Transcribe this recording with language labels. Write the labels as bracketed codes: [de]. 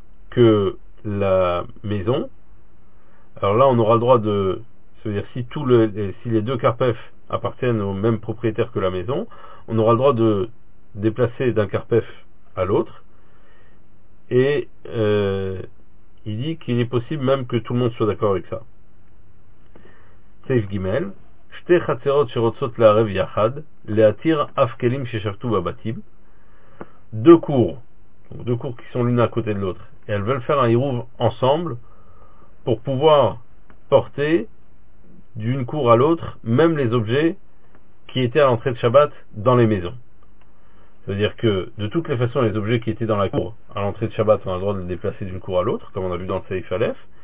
[fr] que la maison, alors là on aura le droit de, c'est-à-dire si tout le, si les deux karpef appartiennent au même propriétaire que la maison, on aura le droit de déplacer d'un karpef à l'autre, et il dit qu'il est possible même que tout le monde soit d'accord avec ça. Seif Gimel, [he] שתי חצרות שרוצות לערב יחד, להתיר אף כלים ששבתו בבתים. [fr] Deux cours qui sont l'une à côté de l'autre. Et elles veulent faire un hirouv ensemble pour pouvoir porter d'une cour à l'autre même les objets qui étaient à l'entrée de Shabbat dans les maisons. C'est-à-dire que de toutes les façons, les objets qui étaient dans la cour à l'entrée de Shabbat ont le droit de les déplacer d'une cour à l'autre, comme on a vu dans le Seif Aleph.